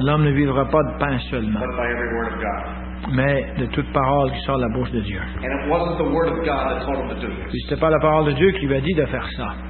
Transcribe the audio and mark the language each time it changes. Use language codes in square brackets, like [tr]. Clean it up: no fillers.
[fr] l'homme ne vivra pas de pain seulement, [en] but by every word of God. [fr] Mais de toute parole qui sort de la bouche de Dieu. [en] And it wasn't the word of God that told him to do this. [fr] Ce n'était pas la parole de Dieu qui lui a dit de faire ça.